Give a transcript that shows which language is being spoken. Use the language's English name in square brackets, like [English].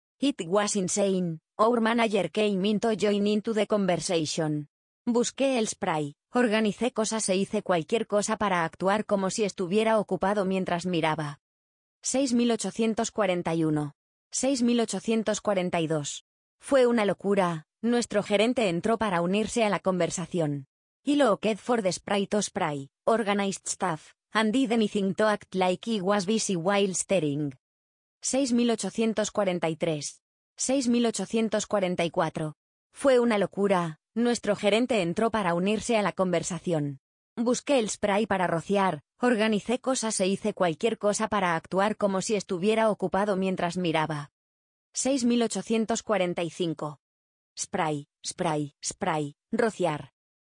[English] It was insane, our manager came in to join into the conversation. [Spanish] Busqué el spray, organicé cosas e hice cualquier cosa para actuar como si estuviera ocupado mientras miraba. [English] 6841. 6842. [Spanish] Fue una locura, nuestro gerente entró para unirse a la conversación. [English] He looked for the spray to spray, organized stuff, and did anything to act like he was busy while staring. 6843. 6844. [Spanish] Fue una locura, nuestro gerente entró para unirse a la conversación. Busqué el spray para rociar, organicé cosas e hice cualquier cosa para actuar como si estuviera ocupado mientras miraba. [English] 6845. Spray, spray, spray, rociar.